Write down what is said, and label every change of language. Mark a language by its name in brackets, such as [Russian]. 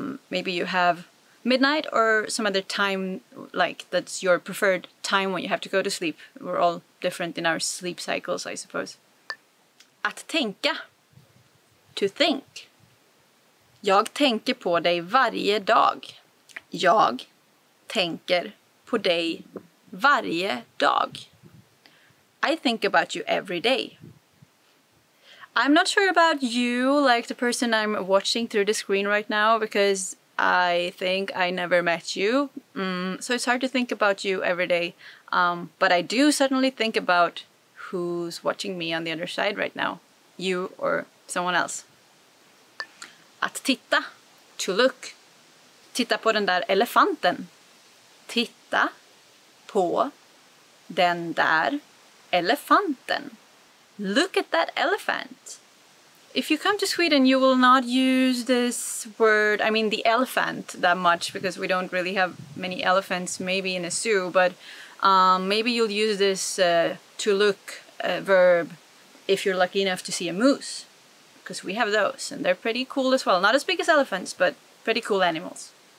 [English] Maybe you have midnight or some other time, like that's your preferred time when you have to go to sleep. We're all different in our sleep cycles, I suppose. [Swedish] Att tänka. [English] To think. [Swedish] Jag tänker på dig varje dag. Jag tänker på dig varje dag. [English] I think about you every day. I'm not sure about you, like the person I'm watching through the screen right now, because I think I never met you. So it's hard to think about you every day. But I do suddenly think about who's watching me on the other side right now. You or someone else. [Swedish] Att titta. [English] To look. [Swedish] Titta på den där elefanten. Titta på den där elefanten. [English] Look at that elephant. If you come to Sweden, you will not use this word, I mean the elephant, that much, because we don't really have many elephants, maybe in a zoo, but maybe you'll use this to look verb if you're lucky enough to see a moose, because we have those and they're pretty cool as well. Not as big as elephants, but pretty cool animals.